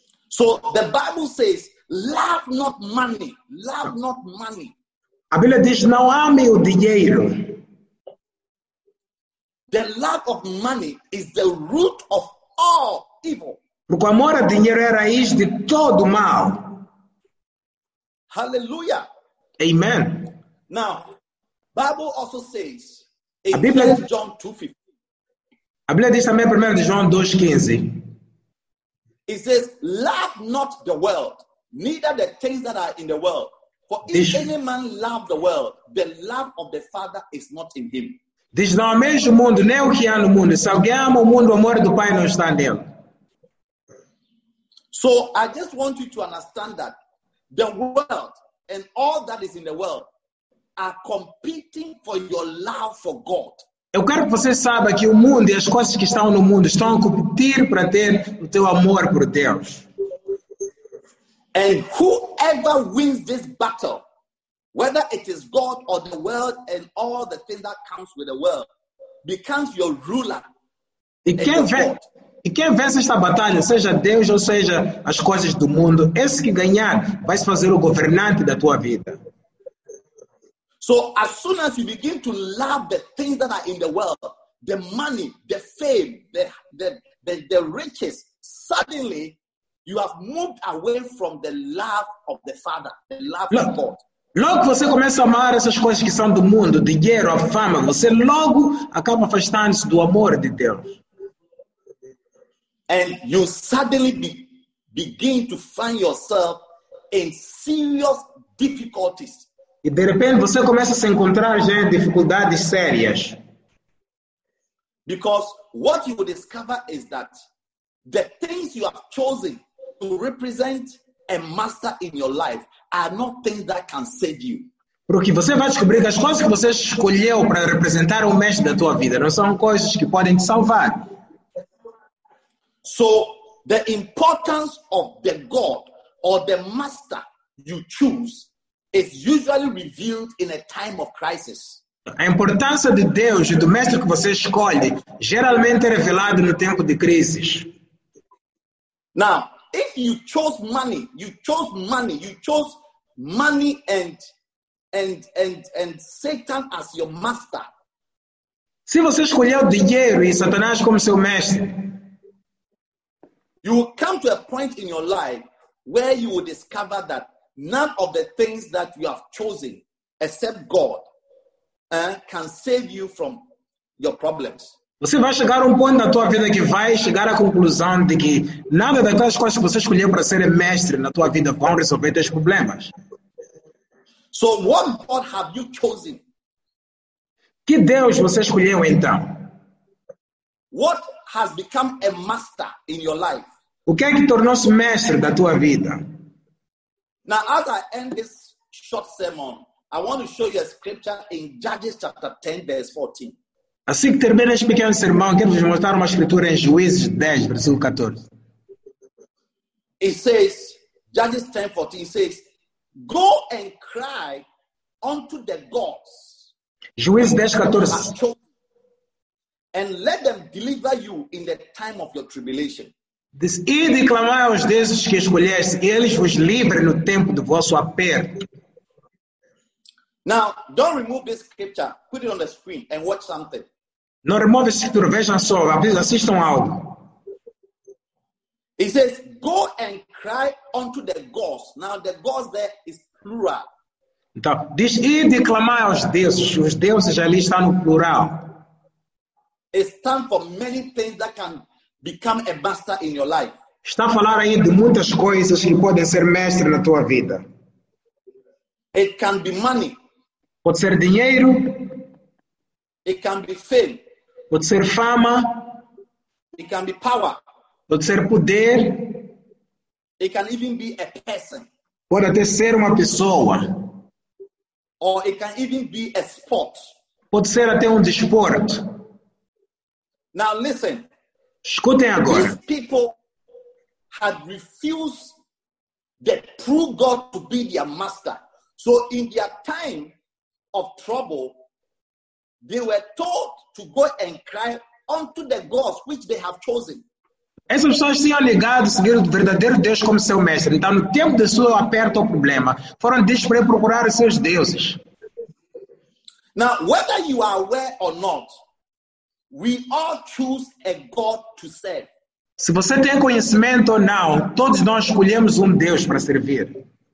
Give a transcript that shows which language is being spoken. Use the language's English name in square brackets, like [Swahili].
[English] So the Bible says, love not money, love not money. [Portuguese] A Bíblia diz, não ame o dinheiro. [English] The love of money is the root of all evil. [Portuguese] Porque o amor ao dinheiro é a raiz de todo mal. [English] Hallelujah. Amen. Now, Bible also says in John 2:15. [Portuguese] A Bíblia diz também primeiro de João 2:15. [English] It says, "Love not the world, neither the things that are in the world. For if any man love the world, the love of the Father is not in him." [Portuguese] Diz, não ameis o mundo, nem o que há no mundo. Se alguém ama o mundo, o amor do Pai não está nele. [English] So I just want you to understand that the world and all that is in the world are competing for your love for God. [Portuguese] Eu quero que você saiba que o mundo e as coisas que estão no mundo estão a competir para ter o teu amor por Deus. [English] And whoever wins this battle whether it is God or the world and all the things that comes with the world, becomes your ruler. [Portuguese] E quem vence esta batalha, seja Deus ou seja as coisas do mundo, esse que ganhar vai se fazer o governante da tua vida. [English] So as soon as you begin to love the things that are in the world, the money, the fame, the riches, suddenly you have moved away from the love of the Father, the love of God. [Portuguese] Logo que você começa a amar essas coisas que são do mundo, dinheiro, a fama, você logo acaba afastando-se do amor de Deus. [English] And you suddenly begin to find yourself in serious difficulties. [Portuguese] E de repente você começa a se encontrar já em dificuldades sérias. [English] Because what you will discover is that the things you have chosen to represent a master in your life are not things that can save you. [Portuguese] Porque você vai descobrir que as coisas que você escolheu para representar o mestre da tua vida não são coisas que podem te salvar. [English] So the importance of the God or the master you choose is usually revealed in a time of crisis. [Portuguese] A importância de Deus e do mestre que você escolhe geralmente é revelada no tempo de crises. [English] Now, if you chose money and Satan as your master. [Portuguese] Se você escolheu dinheiro e Satanás como seu mestre, [English] you will come to a point in your life where you will discover that none of the things that you have chosen, except God, can save you from your problems. [Portuguese] Você vai chegar a um ponto na tua vida que vai chegar à conclusão de que nada daquelas coisas que você escolheu para ser mestre na tua vida vão resolver teus problemas. [English] So what God have you chosen? [Portuguese] Que Deus você escolheu então? [English] What has become a master in your life? [Portuguese] O que é que tornou-se mestre da tua vida? [English] Now, as I end this short sermon, I want to show you a scripture in Judges chapter 10, verse 14. [Portuguese] Assim que termina este pequeno sermão, quero vos mostrar uma escritura em Juízes 10, versículo 14. [English] It says, Judges 10, 14, it says, go and cry unto the gods. [Portuguese] Juízes 10, 14. [English] And let them deliver you in the time of your tribulation. [Portuguese] Diz, e de clamar aos deuses que escolheste, eles vos livrem no tempo do vosso aperto. [English] Now, don't remove this scripture. Put it on the screen and watch something. [Portuguese] Não remove esse escritura, vejam só, assistam algo. [English] It says, go and cry unto the gods. Now, the gods there is plural. [Portuguese] Então, diz, e de clamar aos deuses. Os deuses ali estão no plural. [English] It stands for many things that can become a master in your life. [Portuguese] Está a falar aí de muitas coisas que podem ser mestre na tua vida. [English] It can be money. [Portuguese] Pode ser dinheiro. [English] It can be fame. [Portuguese] Pode ser fama. [English] It can be power. [Portuguese] Pode ser poder. [English] It can even be a person. [Portuguese] Pode até ser uma pessoa. [English] Or it can even be a sport. [Portuguese] Pode ser até um desporto. [English] Now listen. [Portuguese] Escutem agora. [English] These people had refused the true God to be their master. So in their time of trouble, they were told to go and cry unto the gods which they have chosen. [Portuguese] Essas pessoas tinham ligado seguir o verdadeiro Deus como seu mestre. Então, no tempo de sua aperto ou problema, foram para procurar os seus deuses. [English] Now, whether you are aware or not, we all choose a God to serve. [Portuguese] Se você tem conhecimento ou não, todos nós escolhemos Deus para servir.